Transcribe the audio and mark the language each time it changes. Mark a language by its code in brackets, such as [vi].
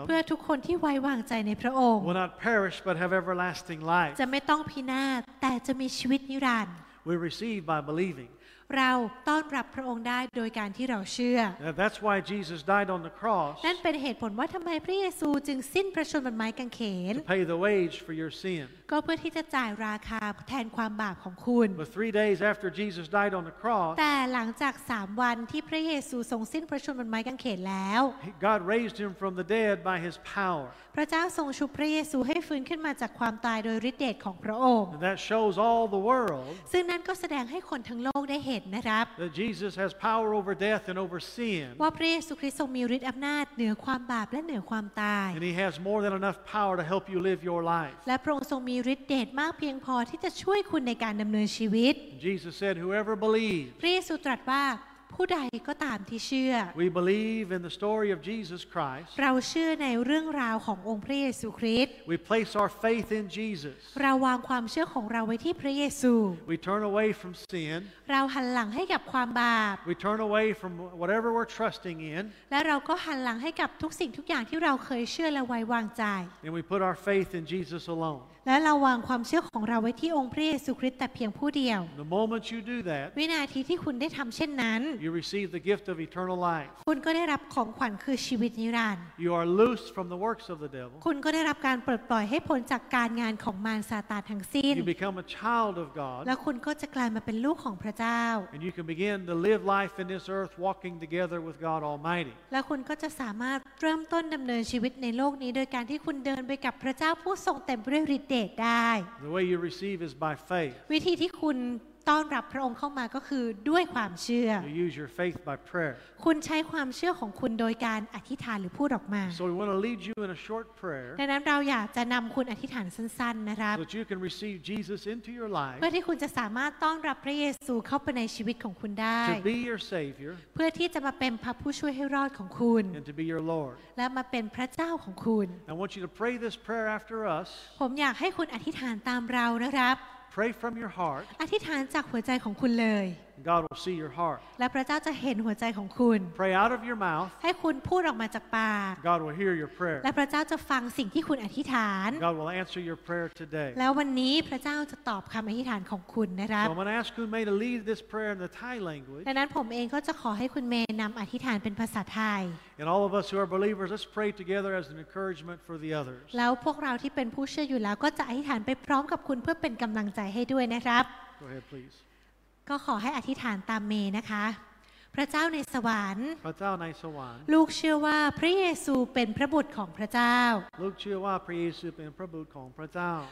[th] เพื่อทุกคนที่ไว้วางใจในพระองค์ [en] will not perish but have everlasting life [th] จะไม่ต้องพินาศแต่จะมีชีวิตนิรันดร์ [en] we receive by believing [th] เราต้อนรับพระองค์ได้โดยการที่เราเชื่อ [en] Now, That's why Jesus died on the cross [th] นั่นเป็นเหตุผลว่าทำไมพระเยซูจึงสิ้นพระชนม์บนไม้กางเขน [en] To pay the wage for your sin [th] ก็เพื่อที่จะจ่ายราคาแทนความบาปของคุณ [en] But 3 days after Jesus died on the cross [th] แต่หลังจาก3วันที่พระเยซูทรงสิ้นพระชนม์บนไม้กางเขนแล้ว [en] God raised him from the dead by his power [th] พระเจ้าทรงชุบพระเยซูให้ฟื้นขึ้นมาจากความตายโดยฤทธิ์เดชของพระองค์ [en] And that shows all the world [th] ซึ่งนั่นก็แสดงให้คนทั้งโลกได้ [en] That Jesus has power over death and over sin. [th] ว่าพระเยซูคริสต์ทรงมีฤทธิ์อำนาจเหนือความบาปและเหนือความตาย [en] And he has more than enough power to help you live your life. [th] และพระองค์ทรงมีฤทธิ์เดชมากเพียงพอที่จะช่วยคุณในการดำเนินชีวิต [en] Jesus said, "Whoever believes." [th] พระเยซูตรัสว่าผู้ใดก็ตามที่เชื่อ [en] We believe in the story of Jesus Christ. [th] เราเชื่อในเรื่องราวขององค์พระเยซูคริสต์ [en] We place our faith in Jesus. [th] เราวางความเชื่อของเราไว้ที่พระเยซู [en] We turn away from sin. [th] เราหันหลังให้กับความบาป [en] We turn away from whatever we're trusting in. [th] และเราก็หันหลังให้กับทุกสิ่งทุกอย่างที่เราเคยเชื่อและไว้วางใจ [en] And we put our faith in Jesus alone. [th] และเราวางความเชื่อของเราไว้ที่องค์พระเยซูคริสต์แต่เพียงผู้เดียว [en] The moment you do that [th] วินาทีที่คุณได้ทำเช่นนั้น [en] You receive the gift of eternal life [th] คุณก็ได้รับของขวัญคือชีวิตนิรันดร์ [en] You are loose from the works of the devil [th] คุณก็ได้รับการปลดปล่อยให้พ้นจากการงานของมารซาตานทั้งสิ้น [en] You become a child of God [th] และคุณก็จะกลายมาเป็นลูกของพระเจ้า [en] And you can begin to live life in this earth walking together with God Almighty [th] และคุณก็จะสามารถเริ่มต้นดำเนินชีวิตในโลกนี้โดยการที่คุณเดินไปกับพระเจ้าผู้ทรงเต็มด้วยฤทธิ์ [en] The way you receive is by faith. [th] วิธีที่คุณต้อนรับพระองค์เข้ามาก็คือด้วยความเชื่อ [en] You use your faith by prayer. [th] คุณใช้ความเชื่อของคุณโดยการอธิษฐานหรือพูดออกมา [en] So we want to lead you in a short prayer. [th] ดังนั้นเราอยากจะนำคุณอธิษฐานสั้นๆนะครับ [en] So that you can receive Jesus into your life. [th] เพื่อที่คุณจะสามารถต้อนรับพระเยซูเข้าไปในชีวิตของคุณได้ [en] To be your Savior. [th] เพื่อที่จะมาเป็นพระผู้ช่วยให้รอดของคุณ [en] And to be your Lord. [th] และมาเป็นพระเจ้าของคุณ [en] I want you to pray this prayer after us. [th] ผมอยากให้คุณอธิษฐานตามเรานะครับ [en] Pray from your heart. [th] อธิษฐานจากหัวใจของคุณเลย [en] God will see your heart. [th] และพระเจ้าจะเห็นหัวใจของคุณ [en] Pray out of your mouth. [th] ให้คุณพูดออกมาจากปาก [en] God will hear your prayer. [th] และพระเจ้าจะฟังสิ่งที่คุณอธิษฐาน [en] God will answer your prayer today. [th] แล้ววันนี้พระเจ้าจะตอบคำอธิษฐานของคุณนะครับ [en] So I'm going to ask Khun Mae to lead this prayer in the Thai language. [th] ดังนั้นผมเองก็จะขอให้คุณเมย์นำอธิษฐานเป็นภาษาไทย [en] And all of us who are believers, let's pray together as an encouragement for the others. [th] แล้วพวกเราที่เป็นผู้เชื่ออยู่แล้วก็จะอธิษฐานไปพร้อมกับคุณเพื่อเป็นกำลังใจให้ด้วยนะครับ [en] Go ahead, please. [th] ก็ขอให้อธิษฐานตามเมย์นะคะพระเจ้าในสวรรค์ พระเจ้าในสวรรค์ ลูกเชื่อว่าพระเยซูเป็นพระบุตรของพระเจ้า ลูกเชื่อว่าพระเยซูเป็นพระบุตรของพระเจ้า